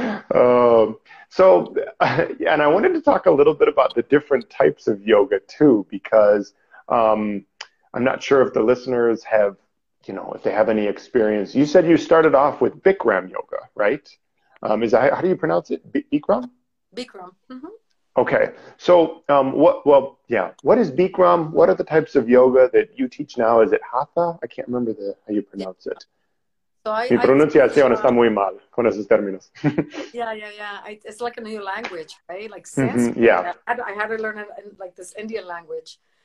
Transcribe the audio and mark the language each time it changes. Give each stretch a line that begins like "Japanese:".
English: And I wanted to talk a little bit about the different types of yoga too, because I'm not sure if the listeners have, you know, if they have any experience. You said you started off with Bikram yoga, right? How do you pronounce it? Bikram? Bikram. Okay. So what is Bikram? What are the types of yoga that you teach now? Is it Hatha? I can't remember how you pronounce it. So
Spanish: Mi pronunciación está muy mal con esos términos.
English: It's like a new language, right? Like Sanskrit. I had to learn it in like this Indian language.